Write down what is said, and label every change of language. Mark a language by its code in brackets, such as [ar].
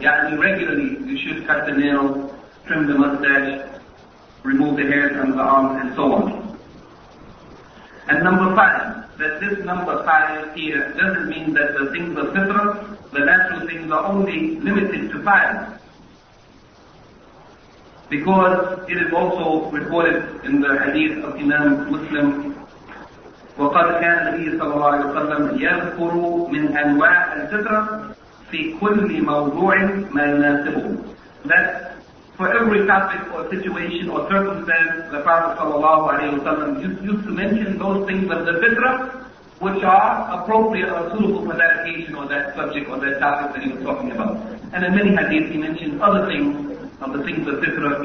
[en] Yeah, regularly you should cut the nails, trim the mustache, remove the hair from the arms, and so on. And number five, that this number five here doesn't mean that the things of fitra, the natural things, are only limited to five. Because it is also recorded in the hadith of Imam Muslim, [ar] وَقَدْ كَانَ النَّبِيُّ صلى الله عليه وسلم يَذْكُرُ مِنْ أَنْوَاعِ الْفِطْرَةِ فِي كُلِّ مَوْضُوعٍ مَا يُنَاسِبُهُ. [en] That for every topic or situation or circumstance, the Prophet صلى الله عليه وسلم used to mention those things of the fitra which are appropriate or suitable for that occasion or that subject or that topic that he was talking about. And in many hadiths he mentioned other things of the things of fitra.